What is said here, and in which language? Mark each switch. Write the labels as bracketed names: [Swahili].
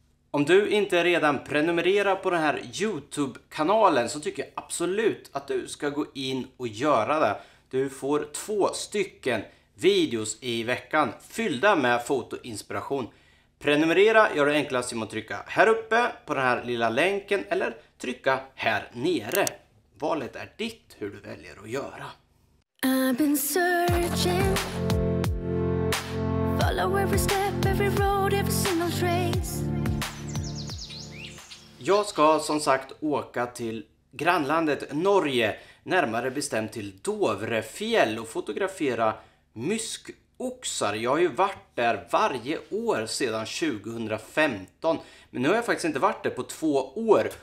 [Swedish] Om du inte redan prenumererar på den här YouTube-kanalen så tycker jag absolut att du ska gå in och göra det. Du får 2 stycken videos i veckan fyllda med fotoinspiration. Prenumerera gör det enklast genom att trycka här uppe på den här lilla länken eller trycka här nere. Valet är ditt hur du väljer att göra. [English] I've been searching, follow every step, every road, every single trace. [Swedish] Jag ska som sagt åka till grannlandet Norge, närmare bestämt till Dovrefjell och fotografera myskoxar. Jag har ju varit där varje år sedan 2015, men nu har jag faktiskt inte varit där på 2 år.